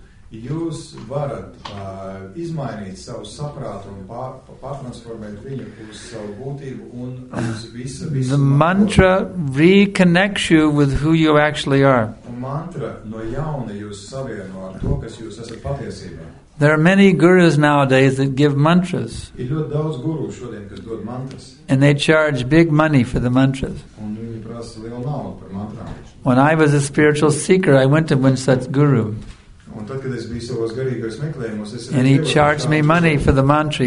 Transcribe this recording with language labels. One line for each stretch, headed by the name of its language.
Latvian: Jūs varat izmainīt savu saprātu un pārtransformēt viņu uz savu būtību un uz visu.
English: The mantra reconnects you with who you actually are.
Latvian: Mantra no jauna jūs savieno ar to, kas jūs esat patiesībā.
English: There are many gurus nowadays that give mantras.
Latvian: Ir ļoti daudz guru šodien, kas dod mantras.
English: And they charge big money for the mantras.
Latvian: Un viņi prasa lielu naudu par mantrām.
English: When I was a spiritual seeker, I went to one such guru. And he charged me money for the mantra.